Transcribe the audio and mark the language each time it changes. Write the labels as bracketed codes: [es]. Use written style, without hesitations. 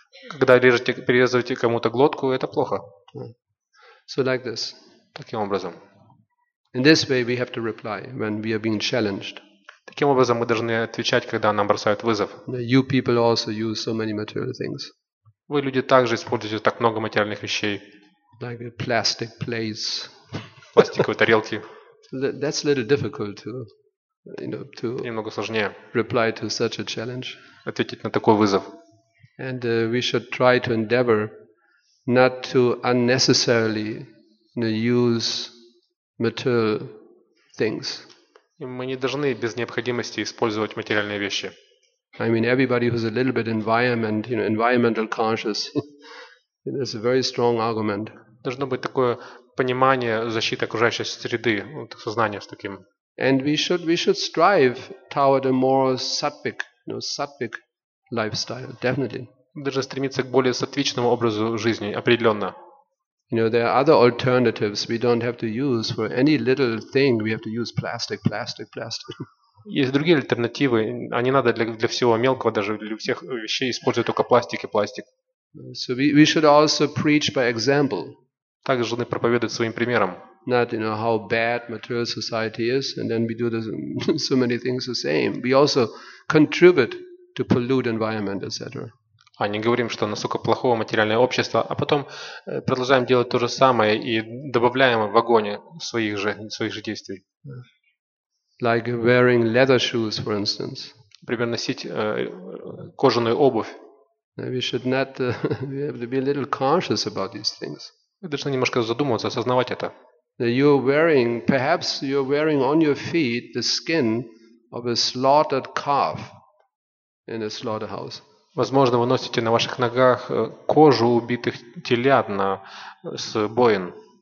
[ru] Когда режете, перерезаете кому-то глотку, это плохо. [en] So like this. [ru] Таким образом. [en] In this way we have to reply when we are being challenged. [ru] Таким образом мы должны отвечать, когда нам бросают вызов. [en] You people also use so many material things. [ru] Вы люди также используете так много материальных вещей. [en] Like plastic plates, [ru] пластиковые тарелки. [en] That's a little difficult to, you know, to [ru] немного сложнее [en] reply to such a challenge. [ru] Ответить на такой вызов. [en] And we should try to endeavor not to unnecessarily, you know, use material things. [ru] И мы не должны без необходимости использовать материальные вещи. [en] I mean, everybody who's a little bit environment, you know, environmental conscious, it's a very strong argument. [ru] Должно быть такое понимание защиты окружающей среды, сознание с таким. [en] And we should strive toward a more sattvic, you know, sattvic lifestyle, definitely. [ru] Должны стремиться к более сатвичному образу жизни, определенно. [en] You know, there are other alternatives we don't have to use for any little thing. We have to use plastic. [ru] Есть другие альтернативы, а не надо для всего мелкого, даже для всех вещей использовать только пластик. [en] So we should also preach by example. [ru] Также должны проповедовать своим примером. [en] Not, you know, how bad material society is, and then we do this, so many things the same. We also contribute to pollute environment, etc. [ru] А не говорим, что насколько плохо материальное общество, а потом продолжаем делать то же самое и добавляем в огонь своих же действий. [en] Like wearing leather shoes, for instance. [ru] Например, носить кожаную обувь. [en] We should not. We have to be a little conscious about these things. [ru] Мы должны немножко задумываться, осознавать это. [en] You're wearing, perhaps you're wearing on your feet the skin of a slaughtered calf in a slaughterhouse. [ru] Возможно, вы носите на ваших ногах кожу убитых телят с боен.